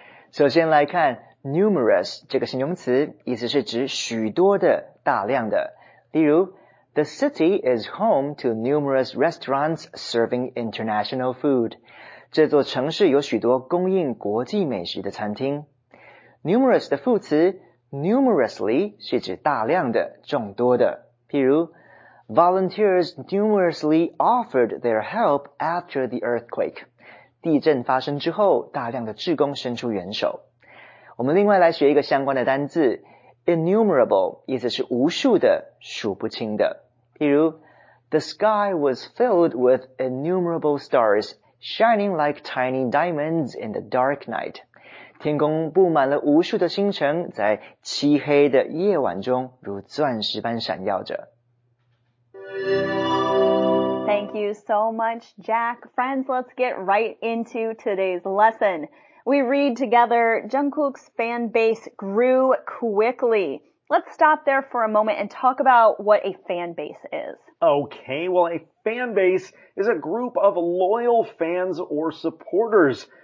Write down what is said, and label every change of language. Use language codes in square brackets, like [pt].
[zh] 首先来看 numerous 这个形容词，意思是指许多的、大量的。例如 [en] ，The city is home to numerous restaurants serving international food. [zh] 这座城市有许多供应国际美食的餐厅。 numerous 的副词 numerously 是指大量的、众多的。譬如 [en] ，Volunteers numerously offered their help after the earthquake. [zh] 地震发生之后，大量的志工伸出援手。我们另外来学一个相关的单字 ，innumerable， 意思是无数的、数不清的。譬如 [en] ，The sky was filled with innumerable stars, shining like tiny diamonds in the dark night。 [zh] 天空布满了无数的星辰，在漆黑的夜晚中，如钻石般闪耀着。 [en] Thank you so much, Jack. Friends, let's get right into today's lesson. We read together, Jungkook's fan base grew quickly. Let's stop there for a moment and talk about what a fan base is. Okay, well, a fan base is a group of loyal fans or supporters.